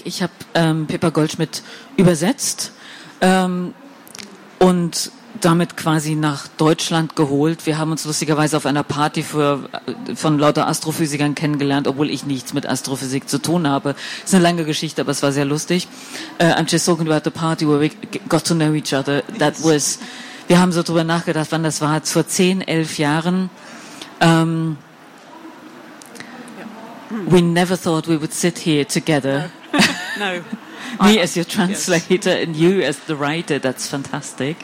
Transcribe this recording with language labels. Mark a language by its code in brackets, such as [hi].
[de] Ich habe Pippa Goldschmidt übersetzt und damit quasi nach Deutschland geholt. Wir haben uns lustigerweise auf einer Party von lauter Astrophysikern kennengelernt, obwohl ich nichts mit Astrophysik zu tun habe. Ist eine lange Geschichte, aber es war sehr lustig. [en] I'm just talking about the party where we got to know each other. [de] Wir haben so drüber nachgedacht, wann das war, vor 10, 11 Jahren. [en] We never thought we would sit here together. No. Me as your translator, yes. And you as the writer, that's fantastic.